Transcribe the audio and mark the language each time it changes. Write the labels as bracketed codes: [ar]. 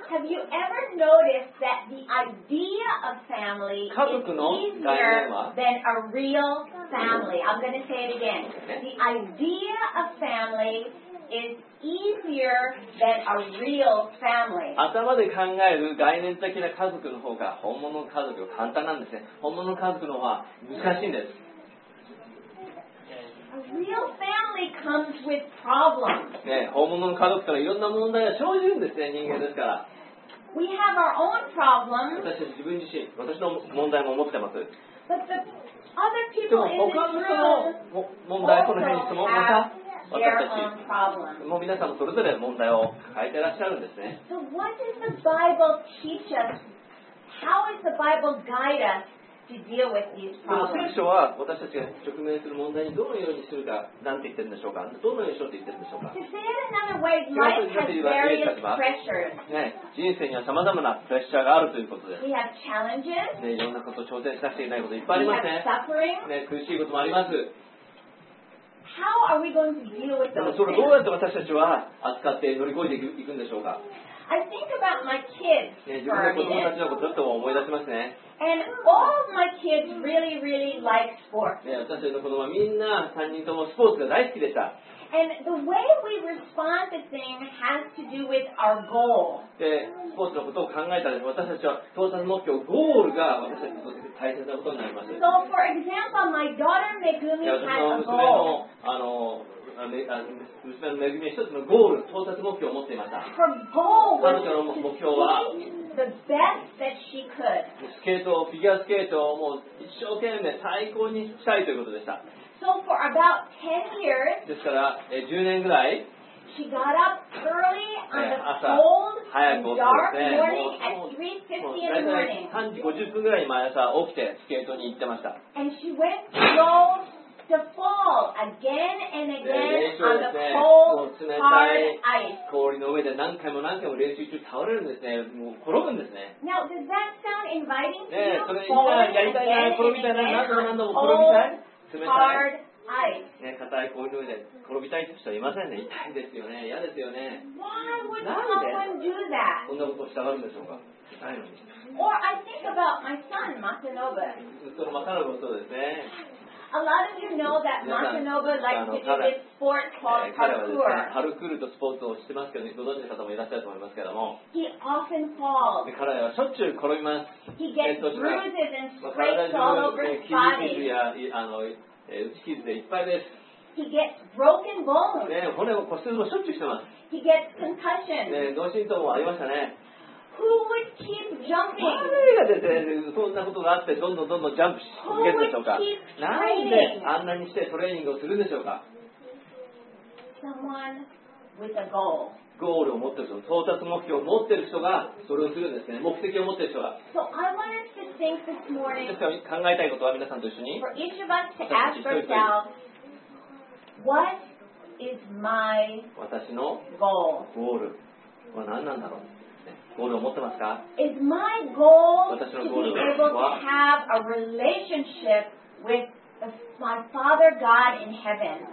[en] Have you ever noticed that the idea of family is easier than a real family? I'm going to say it again. The idea of family is easier than a real family. [ja] 頭で考える概念的な家族の方が本物の家族は簡単なんですね。本物の家族の方は難しいんです。 [en] A real family comes with problems. [ja] ね、本物の家族からいろんな問題が生じるんですね、人間ですから。 [en] We have our own problems. [ja] 私たち自分自身、私の問題も持ってます。 [en] But the other people in the room [ja] でも他の人の問題、この辺質問、また。私たちもう皆さんもそれぞれ問題を抱えていらっしゃるんですね。 [en] So what does the Bible teach us? How does the Bible guide us to deal with these problems? [ja] 聖書は私たちが直面する問題にどのようにするか、なんて言ってるんでしょうか。どのようにしようと言ってるんでしょうか。 [en] To say it another way, life has various pressures. [ja] ね、人生にはさまざまなプレッシャーがあるということです。 [en] We have challenges. [ja] ね、いろんなことを挑戦しなくちゃいけないこといっぱいありますね。 [en] We have suffering. [ja] ね、苦しいこともあります。 [en] How are we going to deal with those? [ja] それどうやって私たちは扱って乗り越えていくんでしょうか。 [en] I think about my kids. [ja] 自分の子供たちのことちょっと思い出しますね。 [en] And all my kids really, really like sports. [ja] 私たちの子供はみんな三人ともスポーツが大好きでした。 [en] And the way we respond to things has to do with our goal. [ja] で、スポーツのことを考えたら私たちは到達目標、ゴールが私たちにとって大切なことになります。 [en] So for example, my daughter Megumi has a goal. [ja] あの娘のめぐみは一つのゴール、到達目標を持っていました。彼女の目標は、スケートを、フィギュアスケートをもう一生懸命最高にしたいということでした。 [en] So、for about 10 years, [ja] ですから、10年ぐらい、 [en] she got up early on the cold, [ja] 朝、早く起きて、ね、 [en] dark morning at 3:50 in the morning. [ja] 3時50分ぐらいに毎朝起きてスケートに行ってました。 [en] And she went to fall again and again on the cold hard ice. [ja] 氷の上で何回も何回も練習中倒れるんですね。もう転ぶんですね。 [en] Now does that sound inviting to you? [ja] ね、それじゃあやりたいな、転びたいな、何度も転びたい。冷たい。ね、硬い氷の上で転びたいって人はいませんね。痛いですよね。嫌ですよね。 [en] Why would someone do that? [ja] こんなことをしたがるんでしょうか。痛いのに。 [en] Or I think about my son Masanobu. [ja] そのマサノブもそうですね。 [en] A lot of you know that Masanobu likes to do this sport called parkour. [ja] パルクールとスポーツをしてますけど、ね、ご存知の方もいらっしゃると思いますけども。 [en] He often falls. [ja] 彼はしょっちゅう転びます。 [en] He gets bruises and scrapes all over his body. [ja] 体中の筋肉や打ち傷でいっぱいです。 [en] He gets broken bones. [ja] 骨を骨折もしょっちゅうしてます。 [en] He gets concussions. [ja] 脳震盪もありましたね。 [en] Who would keep jumping? [ja] 誰がですね、そんなことがあってどんどんどんどんジャンプし続けるでしょうか。なんであんなにしてトレーニングをするんでしょうか。 [en] Someone with a goal. [ja] ゴールを持ってる人、到達目標を持ってる人がそれをするんですね。目的を持ってる人が。 [en] So I want us to think this morning. [ja] 私たち考えたいことは皆さんと一緒に。 [en] For each of us to ask ourselves, what is my goal? [ja] 私のゴールは何なんだろう。ゴールを持ってますか？ [en] Is my goal to be able to have a relationship with my Father God in heaven?